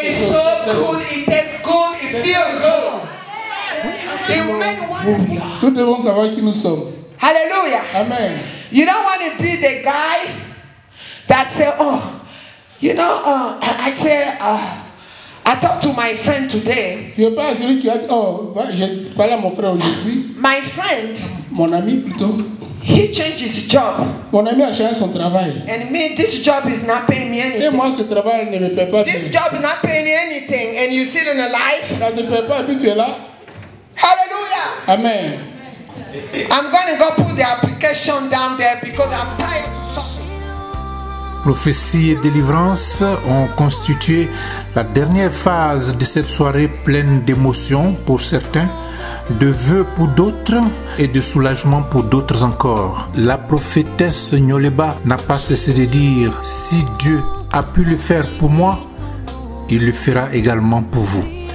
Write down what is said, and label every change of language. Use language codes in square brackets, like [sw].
[en] It's so good. It tastes good. It feels good. It will make one of you. [fr] Nous devons savoir qui nous sommes. Hallelujah. Amen. [en] You don't want to be the guy that say, oh, you know, I say, I talked to my friend today. [fr] Tu es pas celui qui a dit, oh, j'ai parlé à mon frère aujourd'hui. [en] My friend. [fr] Mon ami plutôt. [en] He changed his job. [fr] Mon ami a changé son travail. [en] And me, this job is not paying me anything. [fr] Et moi, ce travail ne me paye pas. [en] This job is not paying me anything, and you sit in a life. [fr] Ça te paye pas, et puis tu es là. Hallelujah. Amen. [en] I'm going to go put the application down there because I'm tired. [fr] Prophétie et délivrance ont constitué la dernière phase de cette soirée pleine d'émotions pour certains, de vœux pour d'autres et de soulagement pour d'autres encore. La prophétesse Nyoleba n'a pas cessé de dire « Si Dieu a pu le faire pour moi, il le fera également pour vous.